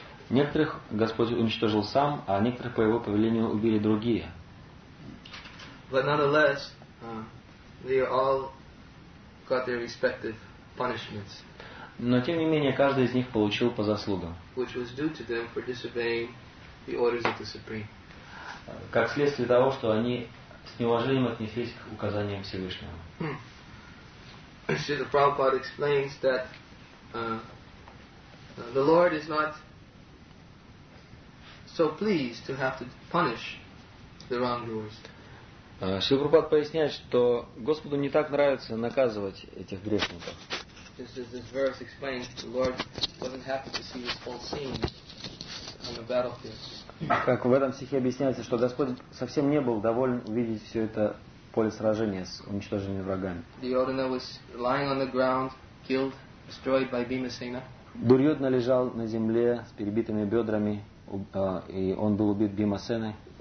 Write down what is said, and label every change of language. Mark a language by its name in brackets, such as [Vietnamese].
[Russian] Некоторых Господь уничтожил сам, а некоторых по его повелению убили другие. [English] But nonetheless, they all got their respective punishments. [Russian] Но тем не менее каждый из них получил по заслугам. [English] Which was due to them for disobeying the orders of the Supreme. [Russian] Как следствие того, что они с неуважением отнеслись к указаниям Всевышнего. [English] Srila Prabhupada explains that the Lord is not so pleased to have to punish the wrongdoers. [Russian] Srila Prabhupada поясняет, что Господу не так нравится наказывать этих грешников. [English] Just as this verse explains, the Lord wasn't happy to see this whole scene on the battlefield. [Russian] Как в этом стихе объясняется, что Господь совсем не был доволен увидеть все это поле сражения с уничтоженными врагами. [English] Duryodhana was lying on the ground, killed, destroyed by Bhimasena. [Russian] Дурьодна лежал на земле с перебитыми бедрами, и он был убит Бхимасеной.